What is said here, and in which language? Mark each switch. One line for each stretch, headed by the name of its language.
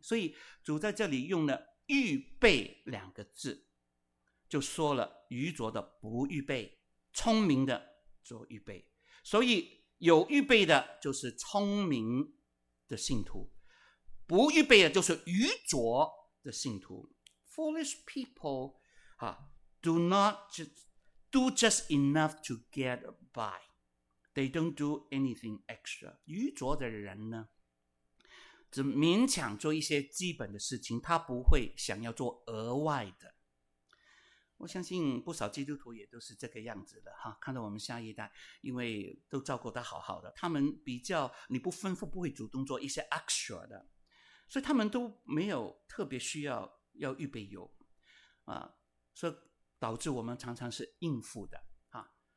Chinese: 所以主在这里用了预备两个字，就说了愚拙的不预备，聪明的做预备。所以有预备的就是聪明的信徒，不预备的就是愚拙的信徒。
English: foolish people do not just do just enough to get by. They don't do anything extra.
Chinese: 愚拙的人呢，只勉强做一些基本的事情，他不会想要做额外的。我相信不少基督徒也都是这个样子的哈。看到我们下一代，因为都照顾得好好的，他们比较你不吩咐不会主动做一些 extra 的，所以他们都没有特别需要要预备油啊，所以导致我们常常是应付的啊。